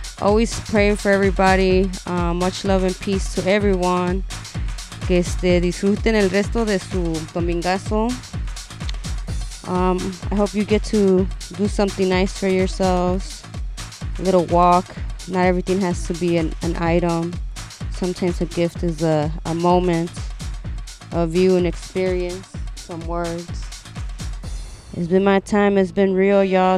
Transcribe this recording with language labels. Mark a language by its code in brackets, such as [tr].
[en] Always praying for everybody. Much love and peace to everyone. [es] Que disfruten el resto de su domingazo. [en] I hope you get to do something nice for yourselves. A little walk. Not everything has to be an item. Sometimes a gift is a moment, a view, an experience, some words. It's been my time. It's been real, y'all.